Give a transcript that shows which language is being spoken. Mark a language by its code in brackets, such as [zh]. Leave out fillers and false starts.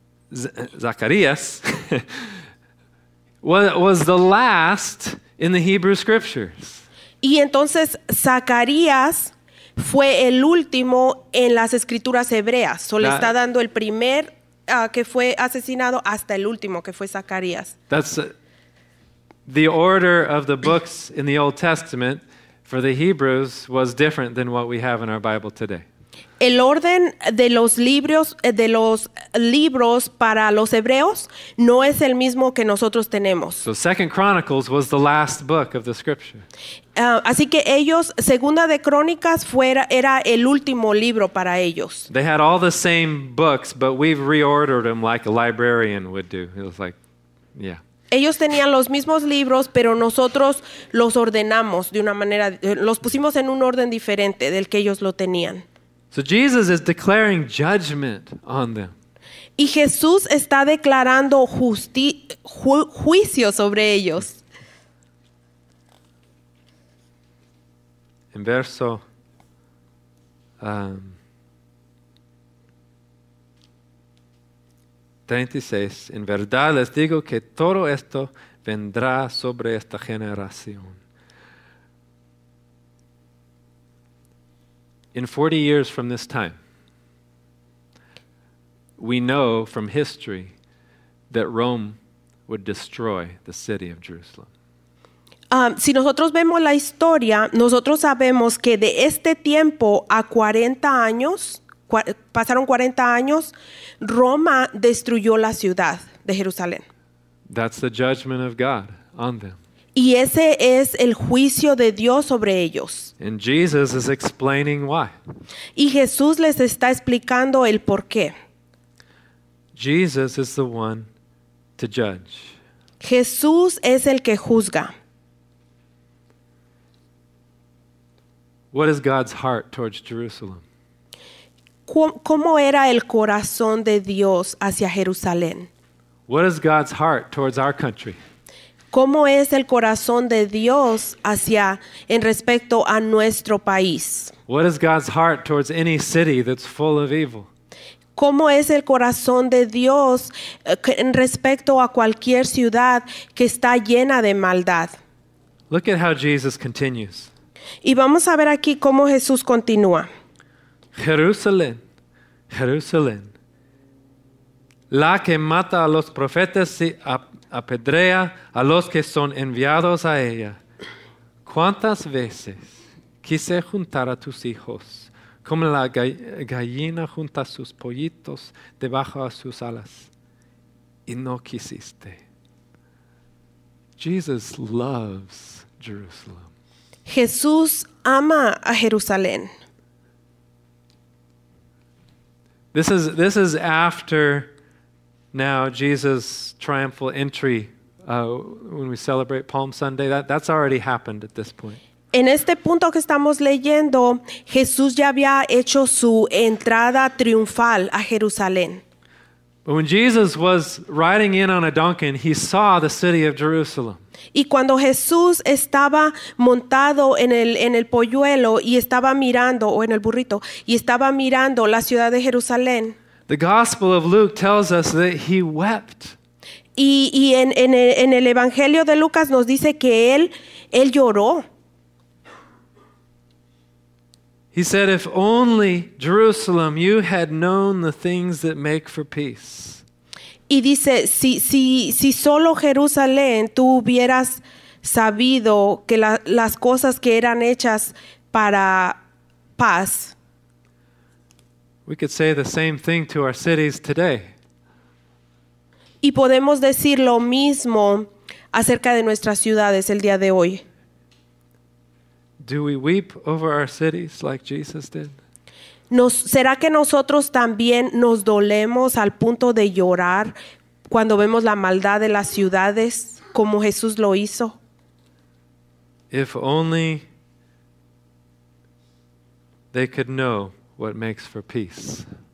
[en] Zacharias was the last in the Hebrew scriptures. [es] Y entonces Zacarías fue el último en las escrituras hebreas. So le está dando el primer que fue asesinado hasta el último que fue Zacarías. [en] That's the order of the books in the Old Testament for the Hebrews was different than what we have in our Bible today. [es] El orden de los libros para los hebreos no es el mismo que nosotros tenemos. [en] So Second Chronicles was the last book of the scripture. [es] Así que ellos, Segunda de Crónicas era el último libro para ellos. [en] They had all the same books, but we've reordered them like a librarian would do. It was like, yeah. [es] Ellos tenían los mismos libros, pero nosotros los ordenamos de una manera, los pusimos en un orden diferente del que ellos lo tenían. [en] So Jesus is declaring judgment on them. [es] Y Jesús está declarando juicio sobre ellos. En verso 36, en verdad les digo que todo esto vendrá sobre esta generación. [en] In 40 years from this time, we know from history that Rome would destroy the city of Jerusalem. [es] Si nosotros vemos la historia, nosotros sabemos que de este tiempo a 40 años, pasaron 40 años, Roma destruyó la ciudad de Jerusalén. [en] That's the judgment of God on them. [es] Y ese es el juicio de Dios sobre ellos. [en] And Jesus is explaining why. [es] Y Jesús les está explicando el por qué. [en] Jesus is the one to judge. [es] Jesús es el que juzga. [en] What is God's heart towards Jerusalem? [es] ¿Cómo era el corazón de Dios hacia Jerusalén? [en] What is God's heart towards our country? [es] ¿Cómo es el corazón de Dios hacia en respecto a nuestro país? [en] What is God's heart towards any city that's full of evil? [es] ¿Cómo es el corazón de Dios en respecto a cualquier ciudad que está llena de maldad? [en] Look at how Jesus continues. [es] Y vamos a ver aquí cómo Jesús continúa. Jerusalén, Jerusalén, la que mata a los profetas y apedrea a los que son enviados a ella. ¿Cuántas veces quise juntar a tus hijos como la gallina junta sus pollitos debajo de sus alas y no quisiste? [en] Jesus loves Jerusalem. [es] Jesús ama a Jerusalén. [en] This is after now Jesus' triumphal entry when we celebrate Palm Sunday. That's already happened at this point. [es] En este punto que estamos leyendo, Jesús ya había hecho su entrada triunfal a Jerusalén. [en] But when Jesus was riding in on a donkey, he saw the city of Jerusalem. [es] Y cuando Jesús estaba montado en el polluelo y estaba mirando, o en el burrito, y estaba mirando la ciudad de Jerusalén. [en] The Gospel of Luke tells us that he wept. [es] Y en el Evangelio de Lucas nos dice que él lloró. [en] He said, if only Jerusalem, you had known the things that make for peace. [es] Y dice, si solo Jerusalén tú hubieras sabido que las cosas que eran hechas para paz. [en] We could say the same thing to our cities today. [es] Y podemos decir lo mismo acerca de nuestras ciudades el día de hoy. [en] Do we weep over our cities like Jesus did? [es] ¿Será que nosotros también nos dolemos al punto de llorar cuando vemos la maldad de las ciudades como Jesús lo hizo? [en] If only they could know what makes for peace.